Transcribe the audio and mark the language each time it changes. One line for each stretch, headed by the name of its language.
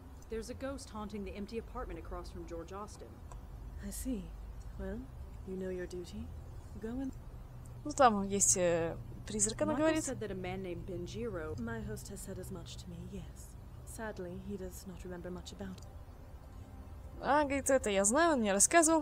English: There's a ghost haunting the empty apartment across from George Austin. I see. Well, you know your duty. Go and...
Russian: Ну, там есть призрак, она говорит.
English: Michael said that a man named Benjiro... My host has said as much to me, yes. Sadly, he does not remember much about it.
Russian: А, говорит, это я знаю, он мне рассказывал.